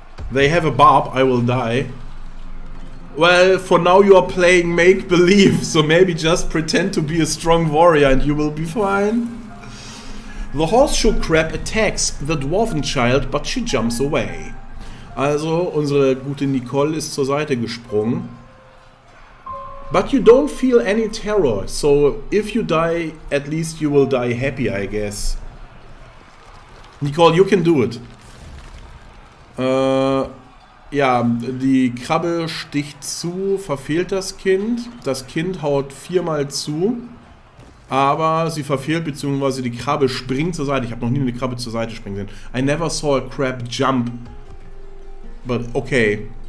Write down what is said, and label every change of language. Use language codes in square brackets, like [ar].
[en] They have a barb. I will die. Well, for now you are playing make-believe. So maybe just pretend to be a strong warrior and you will be fine. The horseshoe crab attacks the dwarven child, but she jumps away. [de] Also, unsere gute Nicole ist zur Seite gesprungen. [en] But you don't feel any terror, so if you die, at least you will die happy, I guess. Nicole, you can do it. [de] Ja, die Krabbe sticht zu, verfehlt das Kind. Das Kind haut 4-mal zu. aber sie verfehlt, beziehungsweise die Krabbe springt zur Seite. Ich habe noch nie eine Krabbe zur Seite springen sehen. [en] I never saw a crab jump. But okay.